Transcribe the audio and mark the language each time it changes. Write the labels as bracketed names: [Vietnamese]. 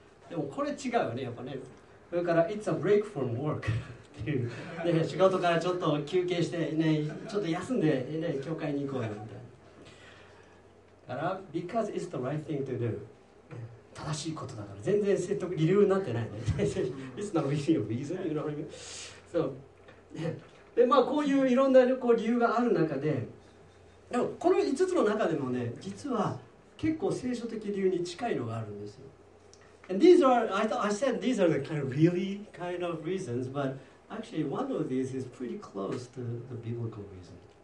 [Japanese] でもこれ違うよね、やっぱね。それから、 [English] it's a break from work. [Japanese] ね、仕事からちょっと休憩して、ね、ちょっと休んで、ね、教会に行こうよみたいな。だから、 [English] because it's the right thing to do. [Japanese] 正しいことだから、全然説得、理由になってないね。 [English] it's not really a reason, you know what I mean? [Japanese] So, で、まあ、こういういろんなこう理由がある中で、でもこの5つの中でもね、実は結構聖書的理由に近いのがあるんですよ。 [English] And these are, I said these are the kind of really kind of reasons, but actually one of these is pretty close to the biblical reason.